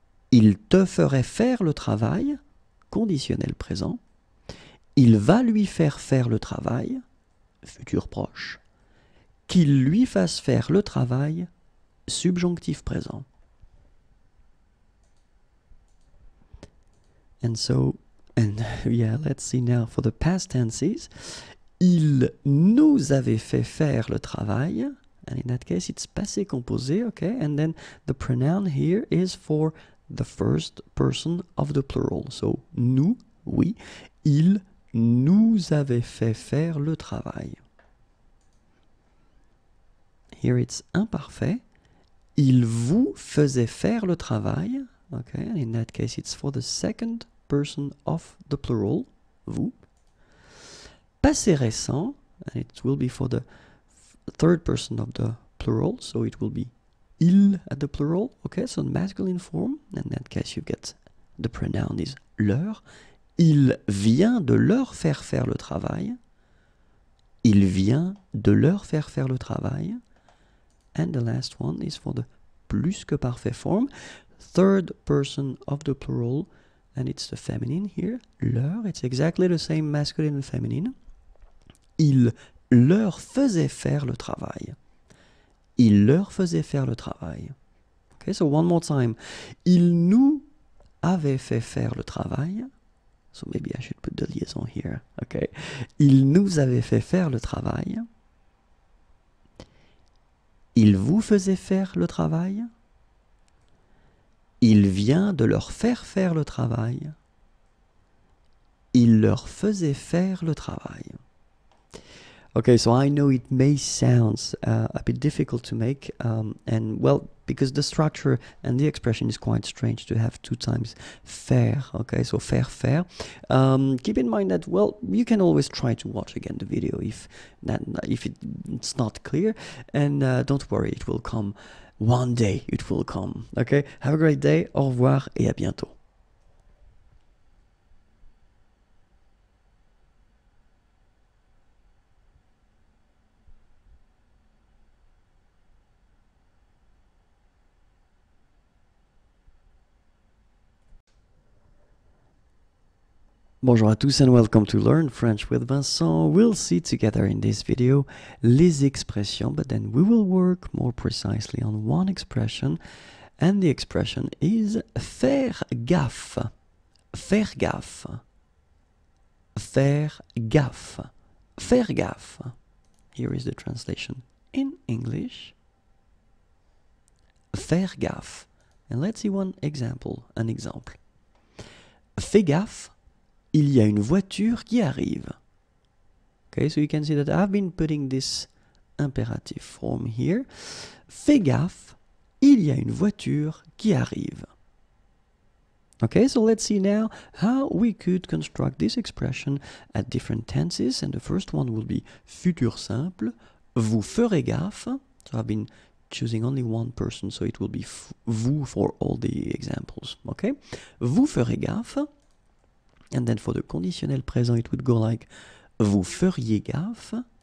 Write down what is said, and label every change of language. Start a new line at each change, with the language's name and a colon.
French: Il te ferait faire le travail, conditionnel présent. Il va lui faire faire le travail, futur proche. Qu'il lui fasse faire le travail, subjonctif présent.
English: And so, and yeah, let's see now for the past tenses.
French: Il nous avait fait faire le travail.
English: And in that case, it's passé composé, okay? And then the pronoun here is for the first person of the plural. So, nous,
French: oui. Il nous avait fait faire le travail.
English: Here it's imparfait.
French: Il vous faisait faire le travail.
English: Okay, in that case, it's for the second person of the plural, vous. Passé récent, and it will be for the third person of the plural, so it will be il at the plural. Okay, so in masculine form, in that case, you get the pronoun is leur.
French: Il vient de leur faire faire le travail. Il vient de leur faire faire le travail.
English: And the last one is for the plus que parfait form, third person of the plural, and it's the feminine here, leur. It's exactly the same masculine and feminine.
French: Il leur faisait faire le travail. Il leur faisait faire le travail.
English: Okay, so one more time.
French: Il nous avait fait faire le travail.
English: So maybe I should put the liaison here.
French: Okay. Il nous avait fait faire le travail. Il vous faisait faire le travail. Il vient de leur faire faire le travail. Il leur faisait faire le travail.
English: Okay, so I know it may sound a bit difficult to make, and well, because the structure and the expression is quite strange to have two times faire, okay, so faire, faire. Keep in mind that, well, you can always try to watch again the video if it's not clear, and don't worry, it will come. One day it will come, okay? Have a great day,
French: au revoir et à bientôt. Bonjour à tous
English: and welcome to Learn French with Vincent. We'll see together in this video les expressions, but then we will work more precisely on one expression, and the expression is faire gaffe.
French: Faire gaffe. Faire gaffe. Faire gaffe.
English: Here is the translation in English. Faire gaffe. And let's see one example. An example.
French: Fais gaffe. Il y a une voiture qui arrive.
English: Okay, so you can see that I've been putting this imperative form here.
French: Fais gaffe, il y a une voiture qui arrive.
English: Okay, so let's see now how we could construct this expression at different tenses. And the first one will be futur simple.
French: Vous ferez gaffe.
English: So I've been choosing only one person, so it will be vous for all the examples. Okay,
French: vous ferez gaffe.
English: And then for the conditionnel présent, it would go like
French: vous feriez gaffe.